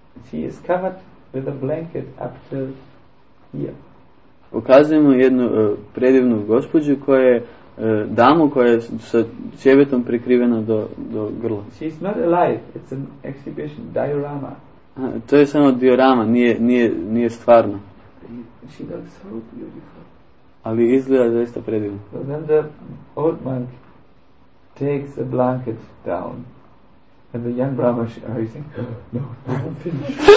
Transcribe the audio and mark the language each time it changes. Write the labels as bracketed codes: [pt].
[en] She is covered with a blanket up to here. [sr] Ukazujemo jednu predivnu gospođu koja je damu koja je sa ćebetom prikrivena do grla. [en] She is not alive, it's an exhibition, diorama. [sr] To je samo diorama, nije stvarno. [en] She looks so beautiful. [sr] Ali izgleda zaista predivno. [en] So then the old monk takes the blanket down. And the young brahmachari is like, no, don't finish.